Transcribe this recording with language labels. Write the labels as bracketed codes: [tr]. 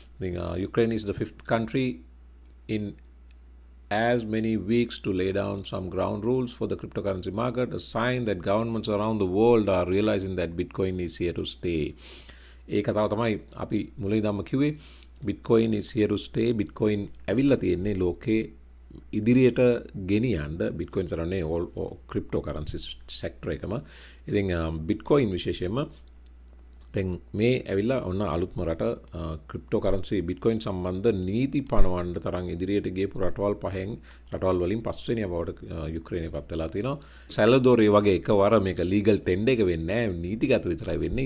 [en] Then Ukraine is the fifth country in as many weeks to lay down some ground rules for the cryptocurrency market, a sign that governments around the world are realizing that Bitcoin is here to stay. [si] ඒ කතාව තමයි අපි මුලින්දම කිව්වේ. [en] Bitcoin is here to stay. [si] Bitcoin ඇවිල්ලා තියෙන්නේ ලෝකේ ඉදිරියට ගෙනියන්න. Bitcoin තරන්නේ [en] all cryptocurrency sector [si] එකම. ඉතින් Bitcoin විශේෂයෙන්ම දැන් මේ ඇවිල්ලා ඔන්න අලුත්ම රට ක්‍රිප්ටෝ කරන්සි බිට්කොයින් සම්බන්ධ නීති පනවන්න තරම් ඉදිරියට ගියපු රටවල් පහෙන් රටවල් වලින් පස්වෙනිය බවට යුක්‍රේනය පත් වෙලා තිනවා. සැලදොරේ වගේ එකවර මේක ලීගල් ටෙන්ඩ් එක වෙන්නේ නැහැ, නීතිගත විතරයි වෙන්නේ.